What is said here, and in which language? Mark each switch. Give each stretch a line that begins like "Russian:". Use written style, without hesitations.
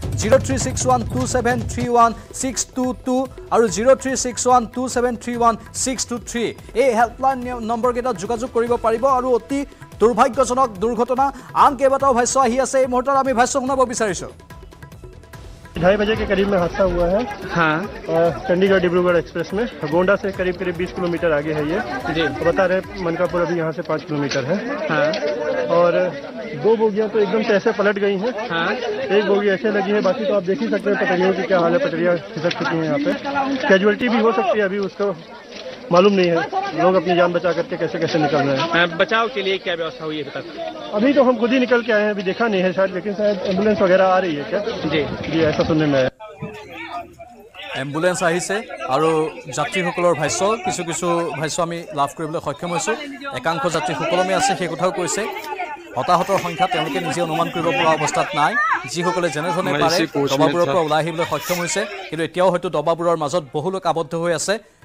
Assamese: 03612731622 আৰু 03612731623 এই হেল্পলাইন নম্বৰকেইটাত যোগাযোগ কৰিব পাৰিব আৰু অতি দুৰ্ভাগ্যজনক দুৰ্ঘটনা আন কেইবাটাও ভাষ্য আহি আছে এই মুহূৰ্তত আমি ভাষ্য শুনাব বিচাৰিছোঁ
Hindi: 2:30 के करीब में हादसा हुआ है हाँ चंडीगढ़ डिब्रूगढ़ एक्सप्रेस में गोंडा से करीब करीब 20 किलोमीटर आगे है ये जी बता रहे मनकापुर अभी यहाँ से 5 किलोमीटर है हाँ और दो बोगियाँ तो एकदम तैसे पलट गई हैं हाँ एक बोगी ऐसे लगी है बाकी तो आप देख ही सकते हैं पटरियों की क्या हाल है पटरियाँ खिसक चुकी हैं यहाँ पे कैजुअल्टी भी हो सकती है अभी उसको मालूम नहीं है लोग अपनी जान बचा करके कैसे कैसे निकल रहे हैं बचाव के लिए क्या व्यवस्था हुई है बता अभी तो हम खुद ही निकल के आए हैं अभी देखा नहीं है शायद लेकिन शायद एम्बुलेंस वगैरह आ रही है क्या जी ऐसा सुनने में आया
Assamese: এম্বুলেন্স আহিছে আৰু যাত্ৰীসকলৰ ভাষ্য কিছু কিছু ভাষ্য আমি লাভ কৰিবলৈ সক্ষম হৈছোঁ একাংশ যাত্ৰীসকলমে আছে সেই কথাও কৈছে হতাহতৰ সংখ্যা তেওঁলোকে নিজে অনুমান কৰিব পৰা অৱস্থাত নাই যিসকলে যেনেধৰণে পাৰে দবাবোৰৰ পৰা ওলাই আহিবলৈ সক্ষম হৈছে কিন্তু এতিয়াও হয়তো দবাবোৰৰ মাজত বহু লোক আবদ্ধ হৈ আছে